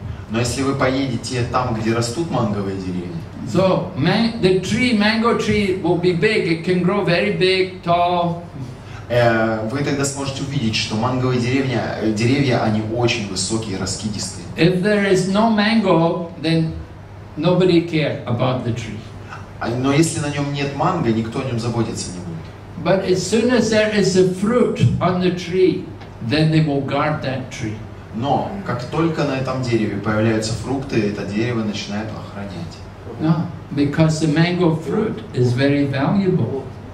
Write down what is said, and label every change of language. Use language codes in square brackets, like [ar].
[ru] Но если вы поедете там, где растут манговые деревья. [en] So the tree, mango tree, will be big. It can grow very big, tall. [ru] Вы тогда сможете увидеть, что манговые деревья, они очень высокие, раскидистые. [en] If there is no mango, then nobody cares about the tree. [ru] Но если на нем нет манго, никто о нем заботиться не будет. [en] But as soon as there is a fruit on the tree, then they will guard that tree. [ru] Но как только на этом дереве появляются фрукты, это дерево начинает охранять. [en] No, because the mango fruit is very valuable.